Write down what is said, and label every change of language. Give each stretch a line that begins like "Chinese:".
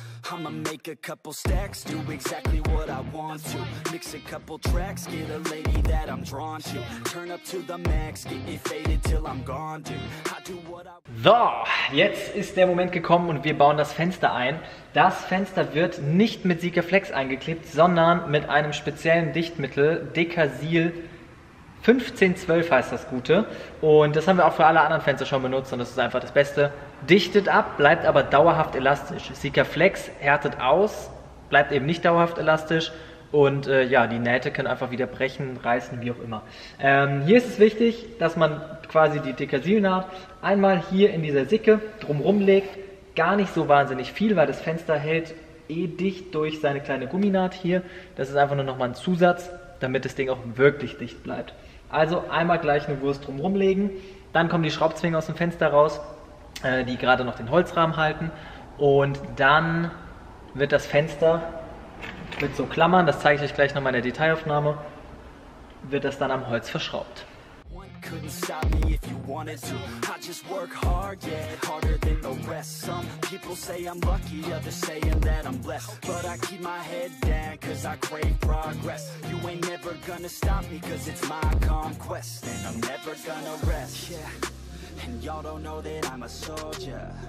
English: I'ma make a couple stacks, do exactly what I want to. Mix a couple tracks, get a lady that I'm drawn to. Turn up to the max, get me faded till I'm gone, dude. I do what I...
German: So, jetzt ist der Moment gekommen und wir bauen das Fenster ein. Das Fenster wird nicht mit Sikaflex eingeklebt, sondern mit einem speziellen Dichtmittel, Dekasil 1512 heißt das Gute. Und das haben wir auch für alle anderen Fenster schon benutzt und das ist einfach das Beste. Dichtet ab, bleibt aber dauerhaft elastisch. Sikaflex härtet aus, bleibt eben nicht dauerhaft elastisch. Und ja, die Nähte können einfach wieder brechen, reißen, wie auch immer. Hier ist es wichtig, dass man quasi die Dekasilnaht einmal hier in dieser Sicke drumherum legt. Gar nicht so wahnsinnig viel, weil das Fenster hält eh dicht durch seine kleine Gumminaht hier. Das ist einfach nur nochmal ein Zusatz, damit das Ding auch wirklich dicht bleibt. Also einmal gleich eine Wurst drumherum legen. Dann kommen die Schraubzwinge aus dem Fenster raus, die gerade noch den Holzrahmen halten. Und dann wird das Fenster mit so Klammern, das zeige ich euch gleich nochmal in der Detailaufnahme, wird das dann am Holz verschraubt.
English: Couldn't stop me if you wanted to. I just work hard, yeah, harder than the rest. Some people say I'm lucky, others saying that I'm blessed. But I keep my head down, cause I crave progress. You ain't never gonna stop me, cause it's my conquest. And I'm never gonna rest, yeah. And y'all don't know that I'm a soldier.